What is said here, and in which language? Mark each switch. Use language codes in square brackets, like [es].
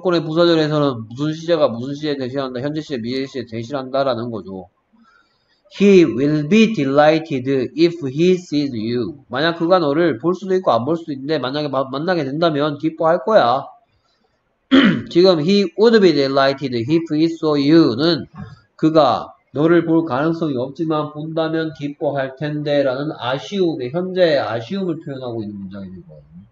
[ko] 조건의 부사절에서는 무슨 시제가 무슨 시제에 대신한다, 현재 시제, 미래 시제에 대신한다라는 거죠. [en] He will be delighted if he sees you. [ko] 만약 그가 너를 볼 수도 있고 안볼 수도 있는데 만약에 만나게 된다면 기뻐할 거야. 지금 [en] he would be delighted if he saw you [ko] 는 그가 너를 볼 가능성이 없지만 본다면 기뻐할 텐데라는 아쉬움의 현재의 아쉬움을 표현하고 있는 문장이거든요.